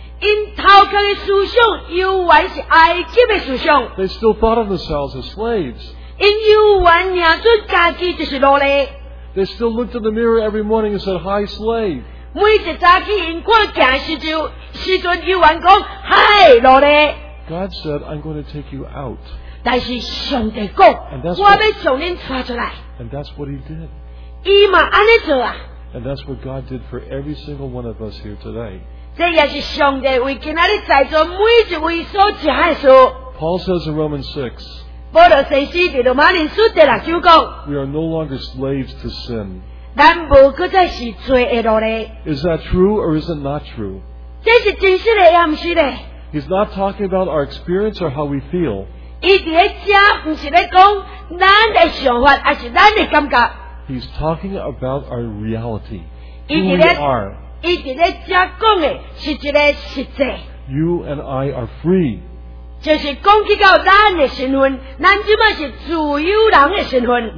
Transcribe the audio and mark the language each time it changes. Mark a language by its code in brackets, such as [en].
[en] They still thought of themselves as slaves. They still looked in the mirror every morning and said, Hi, slave. God said, I'm going to take you out. [nan] 但是上帝讲，我要将恁抓出来。 [en] And that's what he did. [nan] 伊嘛安尼做啊。 [en] And that's what God did for every single one of us here today. [nan] 这也是上帝为今仔日在座每一位所讲的事。 [en] Paul says in Romans 6. [nan] 保罗先生在罗马书第六章讲。 [en] We are no longer slaves to sin. [nan] 咱无搁再是罪的奴隶。 [en] Is that true or is it not true? [nan] 这是真实的，也不是的。 [en] He's not talking about our experience or how we feel. [nan] 伊伫咧遮，唔是咧讲咱的想法，还是咱的感觉。 [en] He's talking about our reality. Who we are. You and I are free. [nan] 就是讲起到咱的身份，咱即马是自由人的身份。